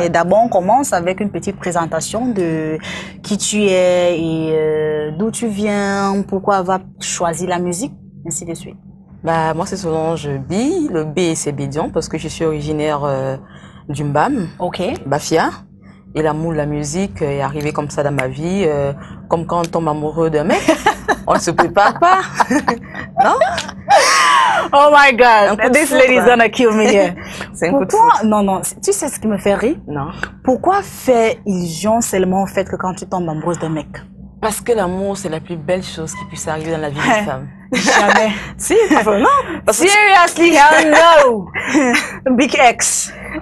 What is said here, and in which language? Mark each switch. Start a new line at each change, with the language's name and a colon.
French: Mais d'abord, on commence avec une petite présentation de qui tu es et d'où tu viens, pourquoi avoir choisi la musique, ainsi de suite. Moi, c'est Solange B. Le B, c'est Bédian, parce que je suis originaire du Mbam, Bafia. Et l'amour de la musique est arrivé comme ça dans ma vie, comme quand on tombe amoureux d'un mec, on ne se prépare pas. Non?
English: Oh my God, this lady is gonna kill me here.
French: C'est un coup de foot. Non, tu sais ce qui me fait rire? Non. Pourquoi faire illusion seulement au fait que quand tu tombes amoureuse d'un mec? Parce que l'amour, c'est la plus belle chose qui puisse arriver dans la vie d'une femme. Jamais. Si, non.
English: Seriously, hell no. Big X.